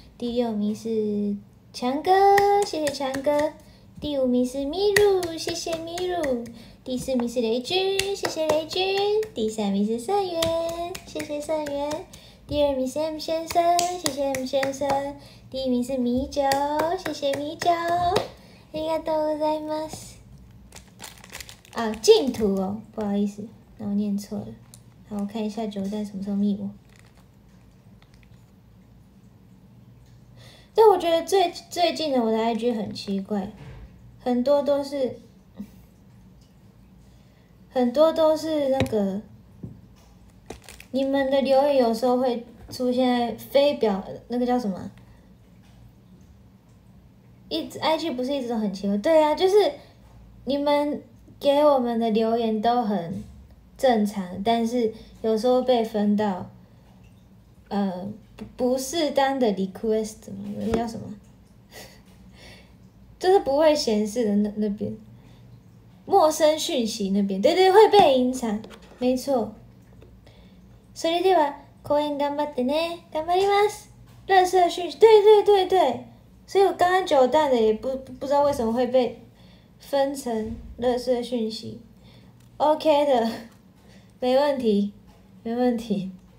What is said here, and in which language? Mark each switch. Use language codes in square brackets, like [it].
[zh] 第六名是强哥，谢谢强哥。第五名是咪露，谢谢咪露。第四名是雷军，谢谢雷军。第三名是盛元，谢谢盛元。第二名是 M 先生，谢谢 M 先生。第一名是米酒，谢谢米酒。 [ja] ありがとうございます。 [zh] 啊，净土哦，不好意思，那我念错了。好，我看一下九代什么时候密我。但我觉得最近的我的 IG 很奇怪，很多都是那个你们的留言，有时候会出现在非表那个叫什么？ IG 不是一直都很奇怪？对啊，就是你们给我们的留言都很正常，但是有时候被分到不适当的 request， 那叫什么？就是不会显示的那边，陌生讯息那边，对对，会被隐藏，没错。 [ja] それでは、公演頑張ってね、頑張ります。 [zh] 垃圾讯息，对对对对，所以我刚刚九蛋的也不知道为什么会被分成垃圾讯息 ，OK 的，没问题，没问题。